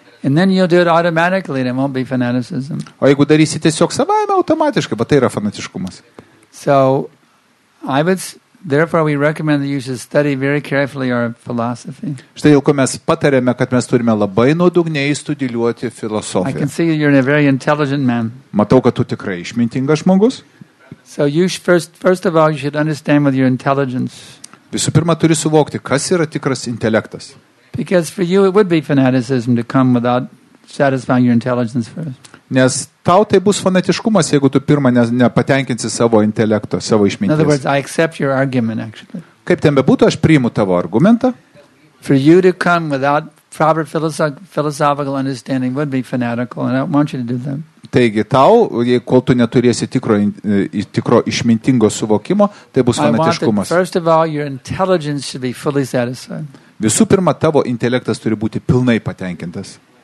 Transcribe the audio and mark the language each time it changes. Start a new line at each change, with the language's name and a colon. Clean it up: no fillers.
English: And then you'll do it automatically, and it won't be fanaticism.
Lithuanian: O jeigu darysi tiesiog savaime automatiškai, va tai yra fanatiškumas.
English: So, I would... Therefore we recommend that you should study very carefully our philosophy.
Lithuanian: Štai jau ko mes patarėme, kad mes turime labai nuodugniai studijuoti filosofiją.
English: I can see you're a very intelligent man.
Lithuanian: Matau, kad tu tikrai išmintingas žmogus.
English: So you first of all you should understand with your intelligence.
Lithuanian: Visų pirma turi suvokti, kas yra tikras intelektas.
English: Because for you it would be fanaticism to come without satisfying your intelligence first.
Lithuanian: Nes tau tai bus fanatiškumas, jeigu tu pirma nepatenkinsi savo intelekto, savo išminties.
English: In other words, I accept your argument, actually.
Lithuanian: Kaip ten bebūtų, aš priimu tavo argumentą.
English: For you to come without proper philosophical understanding would be fanatical, and I want you to do that.
Lithuanian: Taigi tau, jei kol tu neturėsi tikro išmintingo suvokimo, tai bus fanatiškumas.
English: First of all, your intelligence should be fully satisfied.
Lithuanian: Visų pirma, tavo intelektas turi būti pilnai patenkintas.